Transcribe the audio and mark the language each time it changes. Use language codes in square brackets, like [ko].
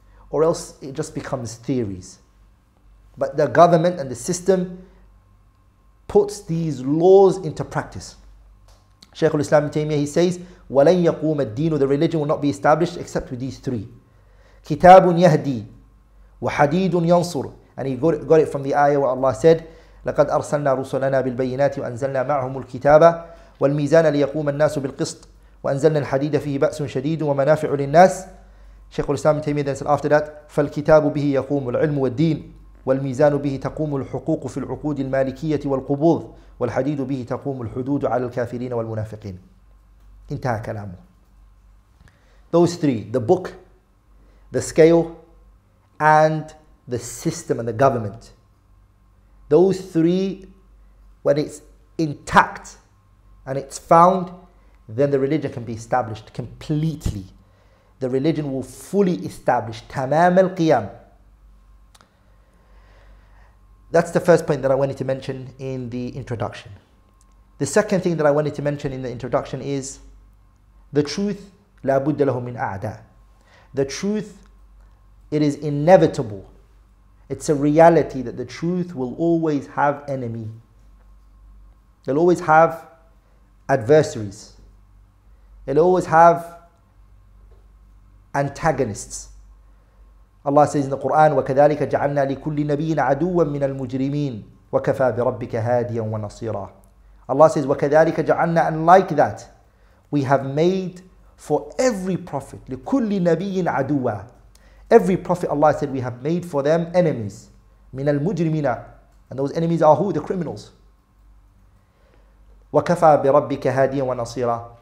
[en] Or else it just becomes theories. But the government and the system puts these laws into practice. Shaykh al-Islam ibn Taymiyyah, he says, [ar] وَلَنْ يَقُومَ الدِّينُ, [en] the religion will not be established except with these three. [ar] كِتَابٌ يَهْدِي وَحَدِيدٌ يَنْصُرُ. [en] And he got it from the ayah where Allah said, [ar] لَقَدْ أَرْسَلْنَا رُسُلَنَا بِالْبَيِّنَاتِ وَأَنْزَلْنَا مَعْهُمُ الْكِتَابَ وَالْمِيزَانَ لِيَقُومَ النَّاسُ بِالْقِسْطِ وَأَنْزَلْنَا الْحَدِيدَ فِيهِ بَأْسٌ شَدِيدٌ وَمَنَافِعُ لِلنَّاسِ. [en] Shaykh al-Islam ibn Taymiyyah then said after that, [ar] فَالْكِتَابُ بِهِ يَقُومُ الْعِلْمُ وَالدِّينُ وَالْمِيزَانُ بِهِ تَقُومُ الْحُقُوقُ فِي الْعُقُودِ الْمَالِكِيَّةِ وَالْقُبُوضِ وَالْحَدِيدُ بِهِ تَقُومُ الْحُدُودُ عَلَى الْكَافِرِينَ وَالْمُنَافِقِينَ. انتهى كلامه. [en] Those three, the book, the scale, and the system and the government. Those three, when it's intact and it's found, then the religion can be established completely. The religion will fully establish [ar] tamam al-qiyam. [en] That's the first point that I wanted to mention in the introduction. The second thing that I wanted to mention in the introduction is the truth, [ar] لا بد له من أعداء. [en] The truth, it is inevitable. It's a reality that the truth will always have enemy. They'll always have adversaries. They'll always have antagonists. Allah says in the Quran, [ar] وَكَذَلِكَ جَعَلْنَا لِكُلِّ نَبِيِّنَ عَدُوًا مِنَ الْمُجْرِمِينَ وَكَفَى بِرَبِّكَ هَادِيًا وَنَصِيرًا. [en] Allah says, [ar] وَكَذَلِكَ جَعَلْنَا, [en] and like that, we have made for every prophet, [ar] لِكُلِّ نَبِيٍّ عَدُوًا. [en] Every prophet, Allah said, we have made for them enemies. [ar] مِنَ الْمُجْرِمِينَ. [en] And those enemies are who? The criminals. [ar] وَكَفَى بِرَبِّكَ هَادِيًا وَنَصِيرًا.